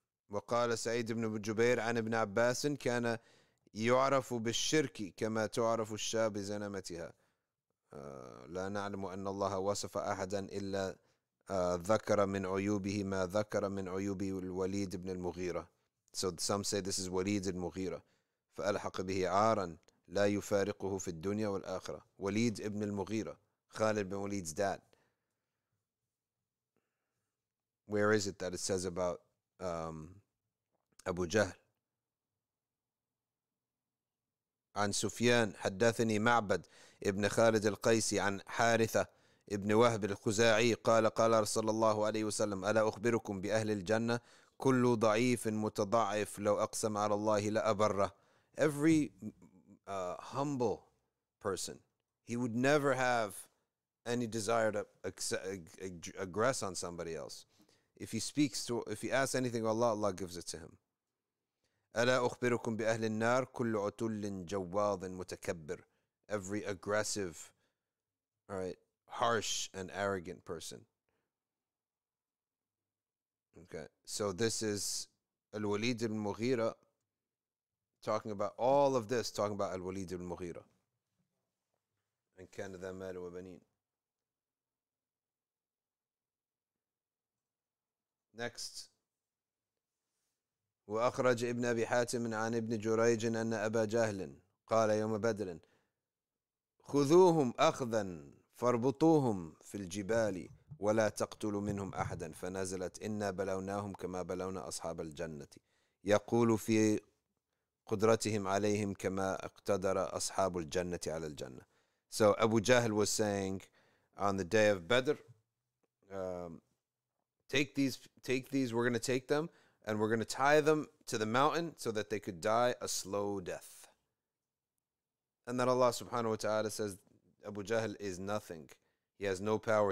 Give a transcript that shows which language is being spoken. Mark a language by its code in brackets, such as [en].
[ar] وقال سعيد بن جبير عن ابن عباس كان يعرف بالشرك كما تعرف الشاة بزنمتها. لا نعلم أن الله وصف أحدا إلا ذكر من عيوبه ما ذكر من عيوب الوليد بن المغيرة. [en] So some say this is وليد المغيرة. [ar] فألحق به عارا لا يفارقه في الدنيا والآخرة. وليد ابن المغيرة. خالد بن وليد's dad. [en] Where is it that it says about Abu Jahl? [ar] عن سفيان حدثني معبد ابن خالد القيسي عن حارثة ابن وهب الخزاعي قال قال رسول الله عليه وسلم ألا أخبركم بأهل الجنة كل ضعيف متضعف لو أقسم على الله لأبره. [en] Every humble person, he would never have any desire to aggress on somebody else. If he speaks to, if he asks anything of Allah, Allah gives it to him. [ar] ألا أخبركم بأهل النار كل عتل جواظ متكبر. [en] Every aggressive, all right, harsh and arrogant person. Okay, so this is Al-Walid al-Mughira talking about all of this, talking about Al-Walid al-Mughira. [ar] And كان ذا مال وبنين. [en] Next. [ar] وأخرج ابن أبي حاتم عن ابن جريج أن أبا جهل قال يوم بدر خذوهم أخذا فاربطوهم في الجبال ولا تقتلوا منهم أحدا فنزلت إنا بلوناهم كما بلونا أصحاب الجنة يقول في قدرتهم عليهم كما اقتدر أصحاب الجنة على الجنة. [en] So Abu Jahl was saying on the day of Badr, take these, we're going to take them and we're going to tie them to the mountain so that they could die a slow death. And then Allah subhanahu wa ta'ala says, Abu Jahl is nothing. He has no power.